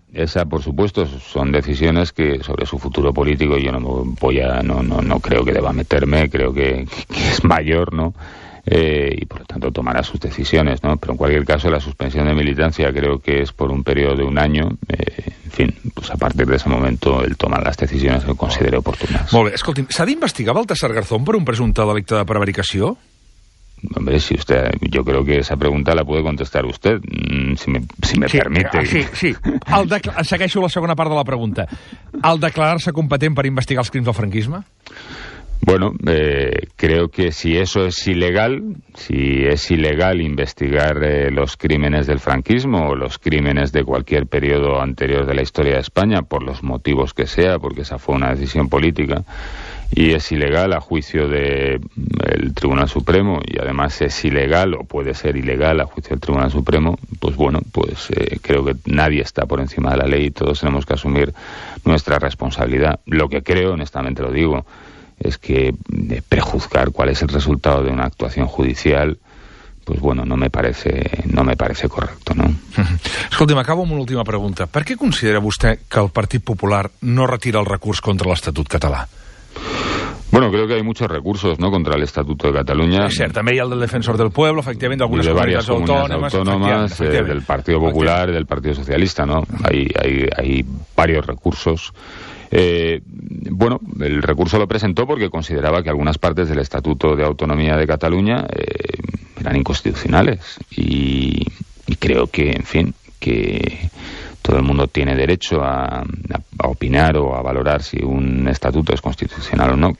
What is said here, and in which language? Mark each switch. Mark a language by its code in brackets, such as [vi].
[es] Esa, por supuesto, son decisiones que sobre su futuro político yo no creo que deba meterme, creo que es mayor, ¿no? Y por lo tanto tomará sus decisiones, ¿no? Pero en cualquier caso, la suspensión de militancia creo que es por un periodo de un año. En fin, pues a partir de ese momento él toma las decisiones que considere oportunas. [ca] Molt bé, escolti, s'ha d'investigar Baltasar Garzón per un presumpte delicte de prevaricació? [es] Hombre, si usted, yo creo que esa pregunta la puede contestar usted, si me permite. [ca] Sí, sí. Segueixo la segona part de la pregunta. Al declarar-se competent per investigar els crims del franquisme? [es] Bueno, creo que si eso es ilegal, si es ilegal investigar los crímenes del franquismo o los crímenes de cualquier periodo anterior de la historia de España, por los motivos que sea, porque esa fue una decisión política, y es ilegal a juicio del Tribunal Supremo, y además es ilegal o puede ser ilegal a juicio del Tribunal Supremo, pues bueno, pues creo que nadie está por encima de la ley y todos tenemos que asumir nuestra responsabilidad. Lo que creo, honestamente lo digo, es que prejuzgar cuál es el resultado de una actuación judicial, pues bueno, no me parece correcto, ¿no? [ca] Escolti'm, acabo amb una última pregunta. ¿Per què considera vostè que el Partit Popular no retira el recurs contra l'Estatut català? [es] Bueno, creo que hay muchos recursos, ¿no?, contra el Estatuto de Cataluña. Sí, cierto, también el del Defensor del Pueblo, efectivamente, algunas de varias comunidades autónomas del Partido Popular, del Partido Socialista, ¿no? Hay varios recursos. Bueno, el recurso lo presentó porque consideraba que algunas partes del Estatuto de Autonomía de Cataluña eran inconstitucionales y creo que, en fin, que todo el mundo tiene derecho a opinar o a valorar si un estatuto es constitucional o no.